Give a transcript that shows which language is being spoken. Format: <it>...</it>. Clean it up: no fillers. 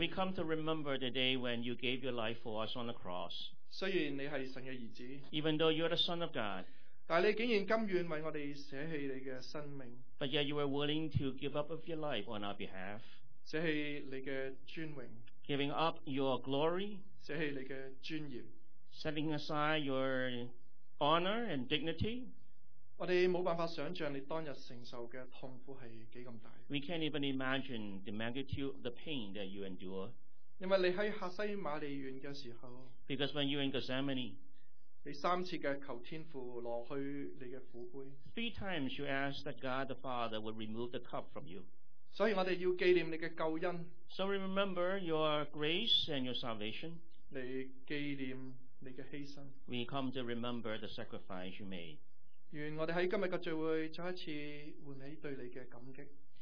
<en>We come to remember the day when you gave your life for us on the cross。</en> <yue>虽然你系神嘅儿子。</yue> <en>Even though you are the Son of God。</en> <yue>但你竟然甘愿为我哋舍弃你嘅生命。</yue> <en>But yet you were willing to give up of your life on our behalf。</en> <yue>舍弃你嘅尊荣。</yue> <en>Giving up your glory。</en> <yue>舍弃你嘅尊严。</yue> <en>Setting aside your honor and dignity。</en> <yue>我哋冇办法想象你当日承受嘅痛苦系几咁大。</yue> <en>We can't even imagine the magnitude of the pain that you endure。</en> <yue>因为你喺客西马尼园嘅时候。</yue> <en>Because when you were in Gethsemane。</en> <yue>你三次嘅求天父挪去你嘅苦杯。</yue> <en>Three times you asked that God the Father would remove the cup from you。</en> <yue>所以我哋要纪念你嘅救恩。</yue> <en>So we remember your grace and your salvation。</en> <yue>你纪念你嘅牺牲。</yue> <en>We come to remember the sacrifice you made。</en> <yue>愿我哋喺今日嘅聚会再一次唤起对你嘅感激。</yue>